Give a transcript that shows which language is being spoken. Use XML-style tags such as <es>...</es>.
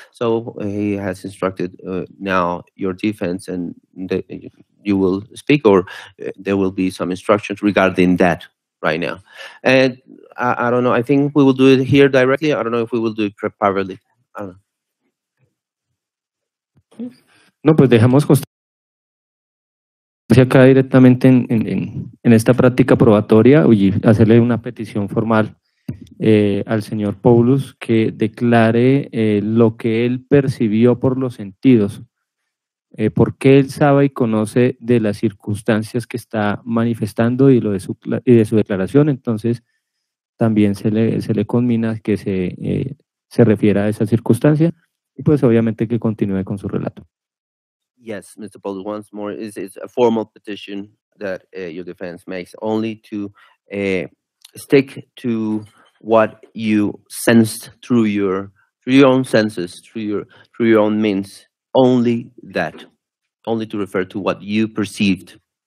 <en>So he has instructed now your defense and you will speak, or there will be some instructions regarding that right now. And I don't know, I think we will do it here directly. I don't know if we will do it privately. I don't know.</en> <es>No, pues dejamos constancia acá directamente en esta práctica probatoria y hacerle una petición formal al señor Poulos que declare lo que él percibió por los sentidos, porque él sabe y conoce de las circunstancias que está manifestando y lo de su declaración. Entonces también se le conmina que se refiera a esa circunstancia y pues obviamente que continúe con su relato.</es> <en>Yes, Mr. Poulos, once more, it's a formal petition that your defense makes only to stick to what you sensed through your own senses, through your own means, only that, only to refer to what you perceived.</en>